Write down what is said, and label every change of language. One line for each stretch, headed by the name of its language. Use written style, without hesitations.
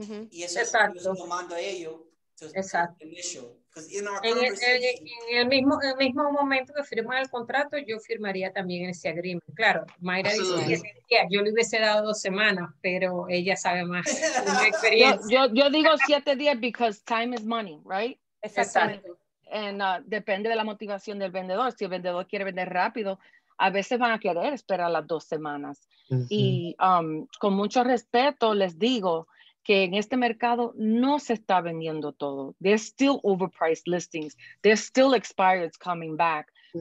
Spanish: Y eso es lo que yo mando a ellos. Exacto. En el mismo momento que firmó el contrato, yo firmaría también ese agreement. Claro, Mayra dice que yo le hubiese dado 2 semanas, pero ella sabe más. yo digo 7 días
English: because time is money, right?
Spanish: Exactamente. And, depende de la motivación del vendedor. Si el vendedor quiere vender rápido, a veces van a querer esperar las 2 semanas. Uh-huh. Y con mucho respeto les digo que en este mercado no se está vendiendo todo.
English: There's still overpriced listings. There's still expireds coming back. Mm-hmm.